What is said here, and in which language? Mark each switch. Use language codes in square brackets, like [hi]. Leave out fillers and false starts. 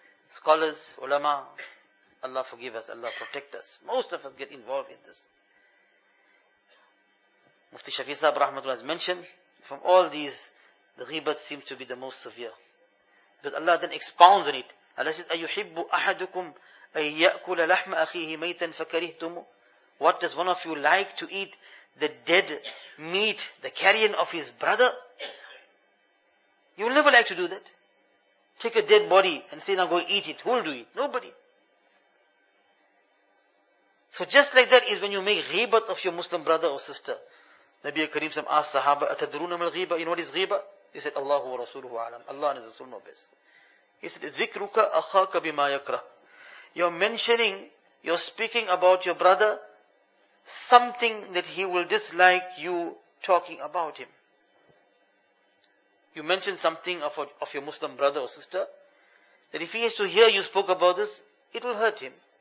[en] Scholars, ulama, Allah forgive us, Allah protect us. Most of us get involved in this. Mufti Shafi Sahib Rahmatullah has mentioned, from all these, the ghibat seems to be the most severe. But Allah then expounds on it. Allah says, [ar] أَيُحِبُّ أَحَدُكُمْ أَن يَأْكُلَ لَحْمَ أَخِيهِ مَيْتًا فَكَرِهْتُمُ. [en] What does one of you like to eat the dead meat, the carrion of his brother? You will never like to do that. Take a dead body and say, now go eat it. Who will do it? Nobody. So just like that is when you make ghibat of your Muslim brother or sister. Nabi Kareem asked Sahaba, [ar] أَتَدْرُونَ مَا الْغِيبَةِ. [en] You know what is ghibah? He said, [ar] Allahu wa Rasuluhu alam. [en] Allah and His Rasul know best. He said, [ar] ذِكْرُكَ أَخَاكَ بِمَا يَكْرَهُ. [en] You're mentioning, you're speaking about your brother, something that he will dislike you talking about him. You mentioned something of your Muslim brother or sister, that if he has to hear you spoke about this, it will hurt him.